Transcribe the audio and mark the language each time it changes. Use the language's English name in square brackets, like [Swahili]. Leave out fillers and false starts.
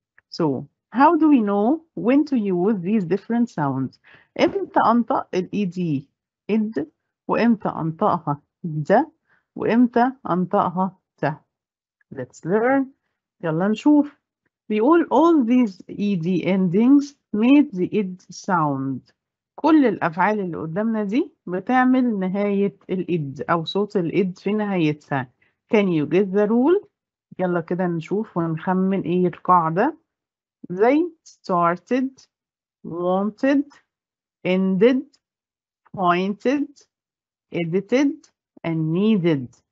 [English] So, how do we know when to use these different sounds? [Arabic] إمتى أنطق الإد إد وإمتى أنطقها د وإمتى أنطقها ت. [English] Let's learn. [Arabic] يلا نشوف. بيقول [English] all these ed endings made the id sound. [Arabic] كل الأفعال اللي قدامنا دي بتعمل نهاية الإد أو صوت الإد في نهايتها. [English] Can you get the rule؟ [Arabic] يلا كده نشوف ونخمن إيه القاعدة. [English] زي started, wanted, ended, pointed, edited, and needed.